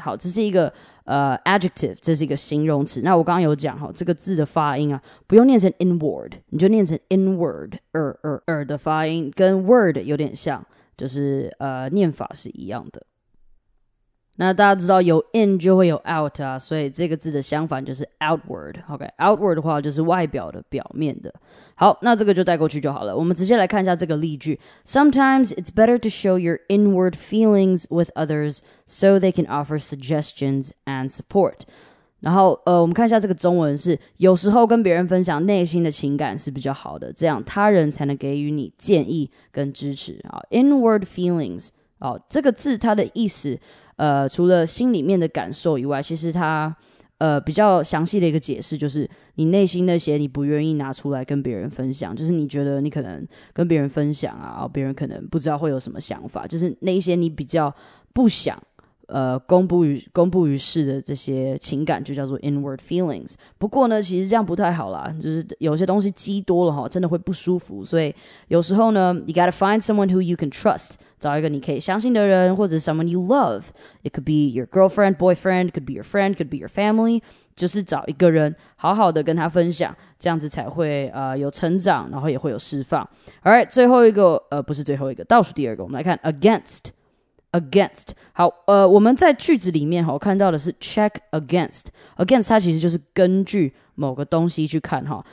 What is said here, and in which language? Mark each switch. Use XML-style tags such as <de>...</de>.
<zh>好，这是一个adjective, 这是一个形容词。那我刚刚有讲，这个字的发音啊，不用念成 inward, 你就念成 inward, 的发音跟 word 有点像，就是念法是一样的。那大家知道有 in 就会有 out 啊，所以这个字的相反就是 outward, OK, outward 的话就是外表的，表面的。好，那这个就带过去就好了。我们直接来看一下这个例句。</zh> <en>Sometimes it's better to show your inward feelings with others so they can offer suggestions and support.</en> <zh>然后我们看一下这个中文是，有时候跟别人分享内心的情感是比较好的，这样他人才能给予你建议跟支持。好， inward feelings, 好，这个字它的意思除了心里面的感受以外，其实它比较详细的一个解释就是你内心那些你不愿意拿出来跟别人分享，就是你觉得你可能跟别人分享啊，别人可能不知道会有什么想法，就是那些你比较不想公布于世的这些情感就叫做 inward feelings。不过呢，其实这样不太好啦，就是有些东西积多了齁，真的会不舒服。</zh> <en>所以有时候呢， you gotta find someone who you can trust,</en> <zh>找一个你可以相信的人，或者</zh> <en>someone you love. It could be your girlfriend, boyfriend, could be your friend, could be your family.</en> <zh>就是找一个人好好的跟他分享，这样子才会有成长，然后也会有释放。 Alright, 最后一个不是最后一个，倒数第二个，我们来看 against 好，我们在句子里面齁看到的是 check against 它其实就是根据某个东西去看齁。</zh>